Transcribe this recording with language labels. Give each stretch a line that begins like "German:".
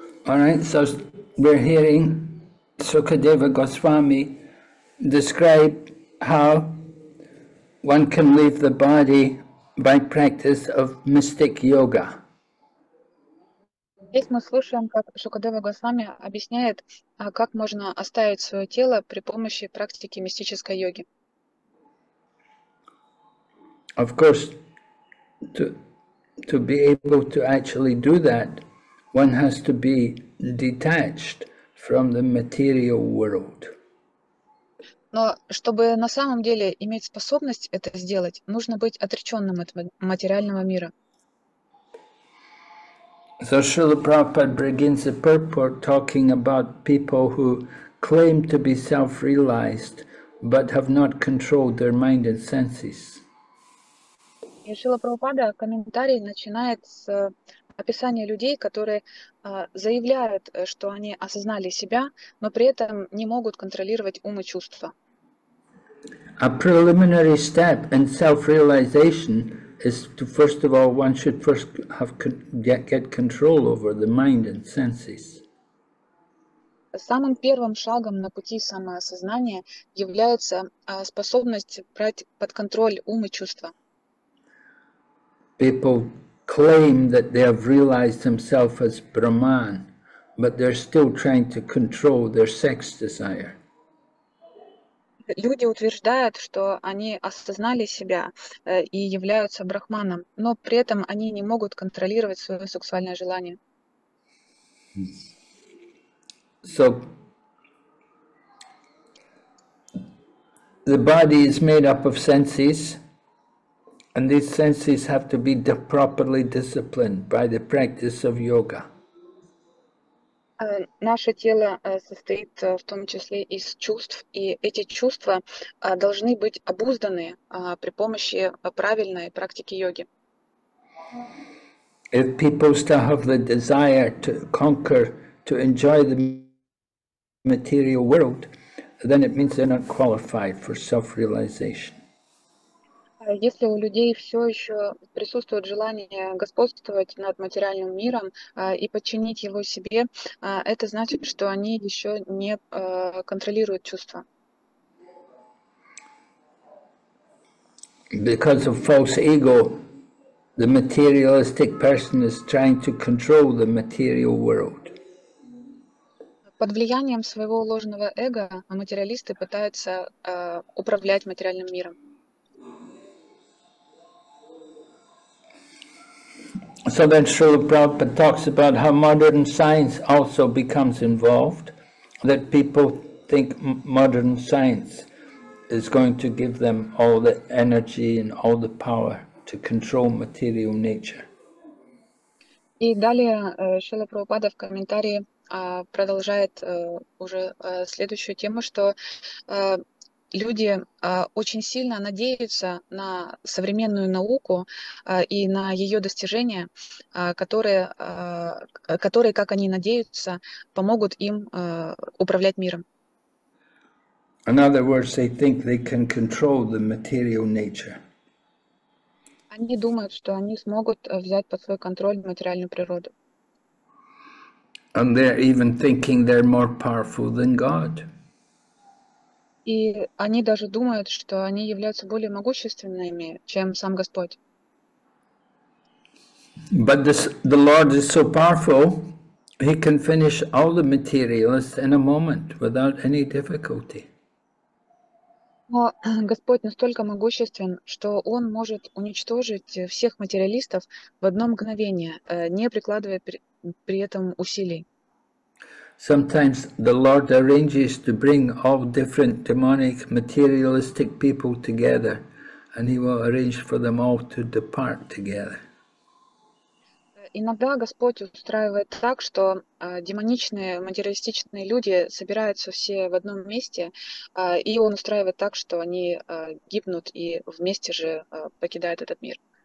English: All right, so we're hearing Sukadeva Goswami describe how one can leave the body by practice of mystic yoga.
Russian: Здесь мы слушаем, как Шукадева Госвами объясняет, как можно оставить свое тело при помощи практики мистической йоги.
English: Of course, to be able to actually do that, one has to be detached from the material world.
Russian: Но чтобы на самом деле иметь способность это сделать, нужно быть отреченным от материального мира.
English: So Srila Prabhupada begins a purport talking about people who claim to be self-realized but have not controlled their mind and senses.
Russian: И Шрила Прабхупада комментарий начинает с описания людей, которые заявляют, что они осознали себя, но при этом не могут контролировать ум и чувства.
English: A preliminary step in self-realization is to first of all one should first have get control over the mind and senses.
Russian: Самым первым шагом на пути самоосознания является способность брать под контроль ум и чувства.
English: People claim that they have realized themselves as Brahman, but they're still trying to control their sex desire.
Russian: Люди утверждают, что они осознали себя и являются брахманом, но при этом они не могут контролировать свое сексуальное желание.
English: So, the body is made up of senses, and these senses have to be properly disciplined by the practice of yoga.
Russian: Наше тело состоит в том числе из чувств, и эти чувства должны быть обузданы при помощи правильной практики йоги.
English: If people still have the desire to conquer, to enjoy the material world, then it means they're not qualified for self-realization.
Russian: Если у людей все еще присутствует желание господствовать над материальным миром и подчинить его себе, это значит, что они еще не контролируют чувства.
English: Because of false ego, the materialistic person is trying to control the material world.
Russian: Под влиянием своего ложного эго материалисты пытаются управлять материальным миром.
English: So then Srila Prabhupada talks about how modern science also becomes involved, that people think modern science is going to give them all the energy and all the power to control material nature.
Russian: И далее Шрила Прабхупада в комментарии продолжает уже следующую тему, что люди очень сильно надеются на современную науку и на ее достижения, которые, как они надеются, помогут им управлять миром.
English: In other words, they think they can control the material nature.
Russian: Они думают, что они смогут взять под свой контроль материальную природу.
English: And they're even thinking they're more powerful than God.
Russian: И они даже думают, что они являются более могущественными, чем сам Господь.
English: But the Lord is so powerful, he can finish all the materialists in a moment without any difficulty.
Russian: Но Господь настолько могуществен, что Он может уничтожить всех материалистов в одно мгновение, не прикладывая при этом усилий.
English: Sometimes the Lord arranges to bring all different demonic materialistic people together, and he will arrange for them all to depart together.
Russian: Иногда Господь устраивает так, что демоничные материалистичные люди собираются все в одном месте, и он устраивает так, что они гибнут и вместе же покидают этот мир.